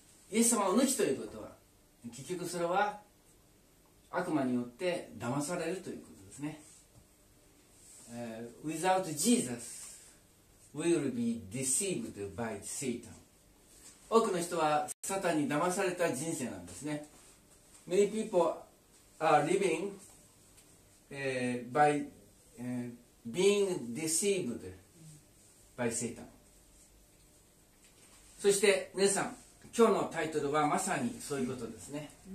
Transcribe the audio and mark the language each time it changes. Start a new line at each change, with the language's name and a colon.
Japanese: イエス様を抜きということは結局それは悪魔によって騙されるということですね。
English: Without Jesus we will be deceived by Satan。
Japanese: 多くの人はサタンに騙された人生なんですね。
English: Many people are living by being deceived by Satan。
Japanese: そして皆さん、今日のタイトルはまさにそういうことですね。